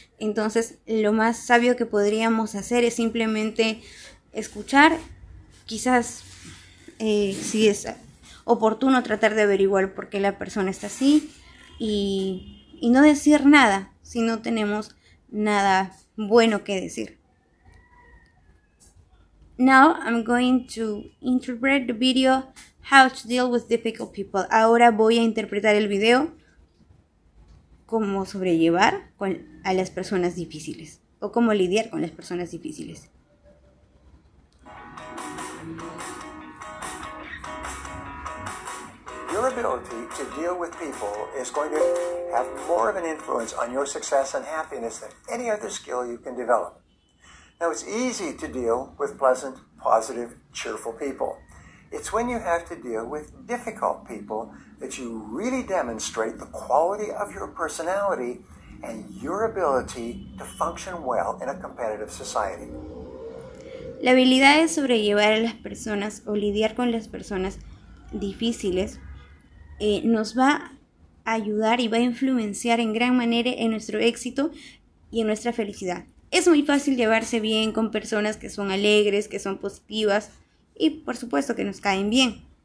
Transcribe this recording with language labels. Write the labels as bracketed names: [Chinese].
[Spanish] Entonces, lo más sabio que podríamos hacer es simplemente escuchar, quizás si es oportuno tratar de averiguar por qué la persona está así y no decir nada si no tenemos nada bueno que decir. [English] Now I'm going to interpret the video how to deal with difficult people. [Spanish] Ahora voy a interpretar el video cómo sobrellevar a las personas difíciles o cómo lidiar con las personas difíciles. [English] Your ability to deal with people is going to have more of an influence on your success and happiness than any other skill you can develop. Now, it's easy to deal with pleasant, positive, cheerful people. It's when you have to deal with difficult people that you really demonstrate the quality of your personality and your ability to function well in a competitive society. [Spanish] La habilidad de sobrellevar a las personas o lidiar con las personas difíciles nos va a ayudar y va a influenciar en gran manera en nuestro éxito y en nuestra felicidad. Es muy fácil llevarse bien con personas que son alegres, que son positivas y por supuesto que nos caen bien.